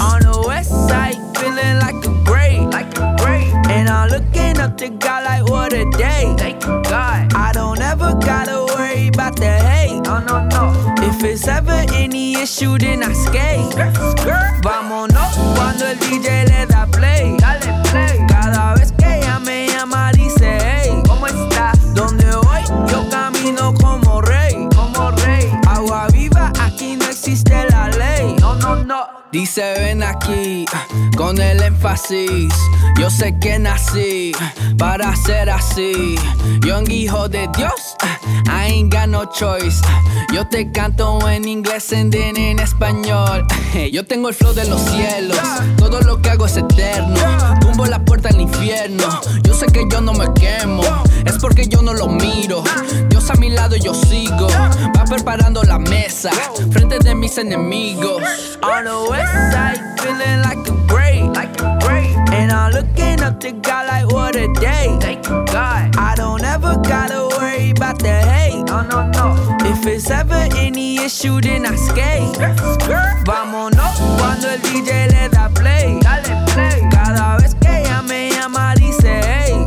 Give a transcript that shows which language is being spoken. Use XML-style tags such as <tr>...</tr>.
<en>On the west side, feeling like a great. Like a great. And I'm looking up to God like, what a day. Thank you, God. I don't ever gotta worry about the hate. No, no, no. If it's ever any issue, then I skate.</en> <es>Vámonos cuando el DJ le da play. Dale play. Cada vez que ella me llama, dice,</es> <en>hey,</en> <es>¿cómo está? ¿Dónde voy? Yo camino como rey. Como rey. Agua viva, aquí no existe la ley. No, no, no. Dice, ven aquí, con el énfasis. Yo sé que nací, para ser así.</es> <en>Young</en> <es>hijo de Dios,</es> <en>I ain't got no choice.</en> <es>Yo te canto en inglés,</es> <en>and then</en> <es>en español. Yo tengo el flow de los cielos, todo lo que hago es eterno. Tumbo la puerta al infierno, yo sé que yo no me quemo. Es porque yo no lo miro, Dios a mi lado yo sigo. Va preparando la mesa, frente de mis enemigos.</es> <en>Westside, feeling like a great, like a great. And I'm looking up to God like, what a day. Thank you, God. I don't ever gotta worry about the hate. No, no, no. If it's ever any issue, then I skate.</en> <es>Vámonos cuando el DJ le da play. Dale play. Cada vez que ella me llama, dice,</es> <en>hey,</en>